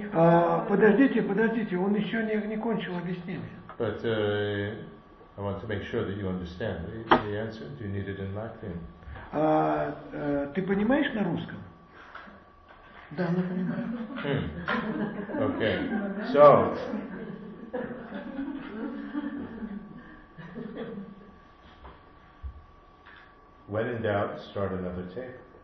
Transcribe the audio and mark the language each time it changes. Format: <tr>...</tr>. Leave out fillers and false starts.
<ru>Подождите, он еще не кончил объяснение.</ru> <en>But I want to make sure that you understand the answer. Do you need it in Latvian?</en> <ru>Ты понимаешь на русском? Да, мы понимаем.</ru> <en>Okay. So. When in doubt, start another tape.</en>